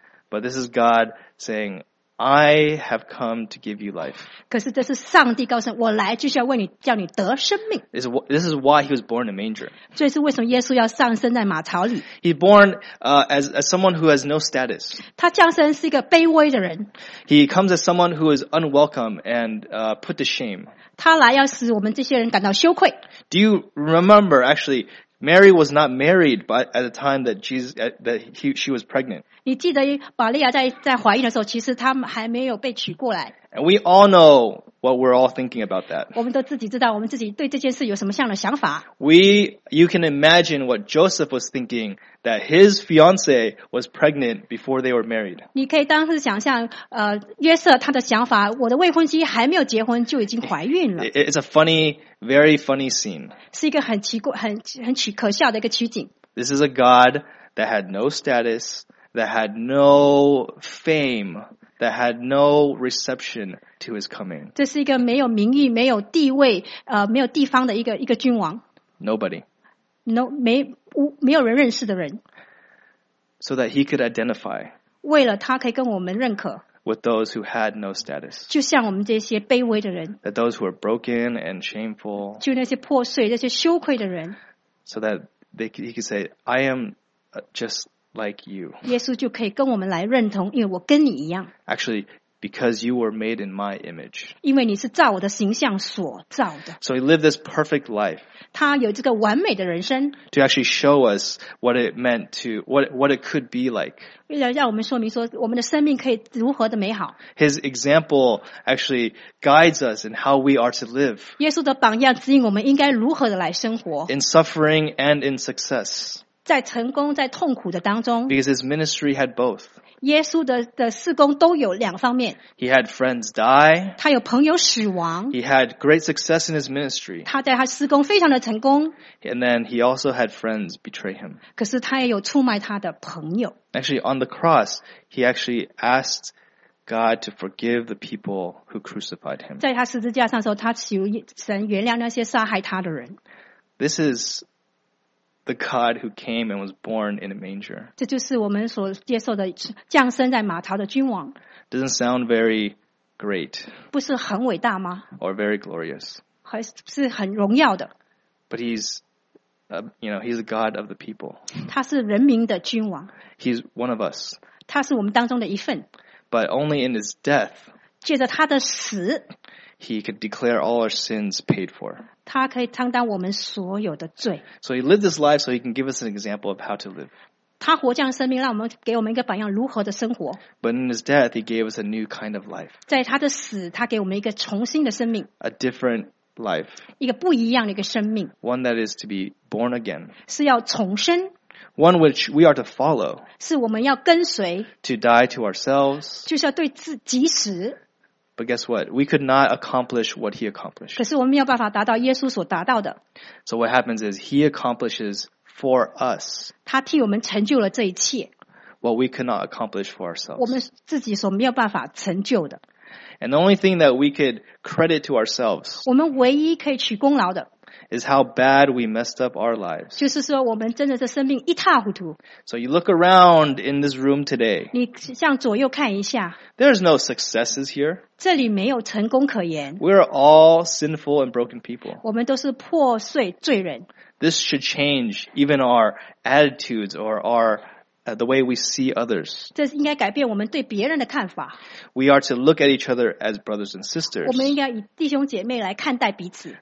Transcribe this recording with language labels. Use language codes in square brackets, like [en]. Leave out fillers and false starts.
[en] but this is GodSaying, I have come to give you life. [zh] 可是这是上帝告诉我来就是要为你叫你得生命。 [en] This is why he was born in a manger. [zh] 这是为什么耶稣要上升在马槽里。 [en] He's born as someone who has no status. [zh] 他降生是一个卑微的人。 [en] He comes as someone who is unwelcome and put to shame. [zh] 他来要使我们这些人感到羞愧。 [en] Do you remember actually? Mary was not married at the time she was pregnant. [zh] 你记得玛利亚在怀孕的时候，其实她还没有被娶过来。 [en] And we all know what we're all thinking about that. [zh] 我们都自己知道我们自己对这件事有什么样的想法。 [en] You can imagine what Joseph was thinking that his fiance was pregnant before they were married. [zh] 你可以当时想象，约瑟他的想法，我的未婚妻还没有结婚就已经怀孕了。 [en] It's a funny, very funny scene. [zh] 是一个很奇怪、很可笑的一个取景。 [en] This is a God that had no status, that had no fame. That had no reception to his coming. [zh] 这是一个没有名誉、没有地位、没有地方的一个君王。 [en] Nobody. [zh] No, 没有人认识的人。 [en] So that he could identify. [zh] 为了他可以跟我们认可。 [en] With those who had no status. [zh] 就像我们这些卑微的人。 [en] That those who are broken and shameful. [zh] 就那些破碎、那些羞愧的人。 [en] So that he could say, I am just...Like you. [zh] 耶稣就可以跟我们来认同，因为我跟你一样。 [en] Actually, Because you were made in my image. [zh] 因为你是照我的形象所造的。 [en] So he lived this perfect life. [zh] 他有这个完美的人生。 [en] To actually show us what it meant to, what it could be like. [zh] 让我们说明说我们的生命可以如何的美好。 [en] His example actually guides us in how we are to live. [zh] 耶稣的榜样指引我们应该如何的来生活。 [en] In suffering and in success. [zh] 在成功在痛苦的当中。 [en] Because his ministry had both. [zh] 耶稣 的事工都有两方面。 [en] He had friends die. [zh] 他有朋友死亡。 [en] He had great success in his ministry. [zh] 他在他事工非常的成功。 [en] And then he also had friends betray him. [zh] 可是他也有出卖他的朋友。 [en] Actually, on the cross, he actually asked God to forgive the people who crucified him. [zh] 在他十字架上的时候，他求神原谅那些杀害他的人。 [en] This is... The God who came and was born in a manger. [zh] 这就是我们所接受的降生在马槽的君王。 [en] Doesn't sound very great. [zh] 不是很伟大吗？ [en] Or very glorious. [zh] 还是很荣耀的。 [en] But he's, you know, he's the God of the people. [zh] 他是人民的君王。 [en] He's one of us. [zh] 他是我们当中的一份。 [en] But only in his death. [zh] 借着他的死。 [en] He could declare all our sins paid for. [zh] 他可以担当我们所有的罪。 [en] So he lived this life so he can give us an example of how to live. [zh] 他活这样的生命让我们给我们一个榜样如何的生活。 [en] But in his death, he gave us a new kind of life. [zh] 在他的死他给我们一个重新的生命。 [en] A different life. [zh] 一个不一样的一个生命。 [en] One that is to be born again. [zh] 是要重生。 [en] One which we are to follow. [zh] 是我们要跟随。 [en] To die to ourselves. [zh] 就是要对即死。 [en] But guess what? We could not accomplish what he accomplished. [zh] 可是我们没有办法达到耶稣所达到的。 [en] So what happens is he accomplishes for us. [zh] 他替我们成就了这一切。 [en] What we cannot accomplish for ourselves. [zh] 我们自己所没有办法成就的。 [en] And the only thing that we could credit to ourselves. [zh] 我们唯一可以取功劳的。 [en] Is how bad we messed up our lives. [zh] 就是说我们真的是生命一塌糊涂。 [en] So you look around in this room today. [zh] 你向左右看一下。 [en] There's no successes here. [zh] 这里没有成功可言。 [en] We're all sinful and broken people. [zh] 我们都是破碎罪人。 [en] This should change even our attitudes or our,the way we see others. [zh] 这应该改变我们对别人的看法。 [en] We are to look at each other as brothers and sisters. [zh] 我们应该以弟兄姐妹来看待彼此。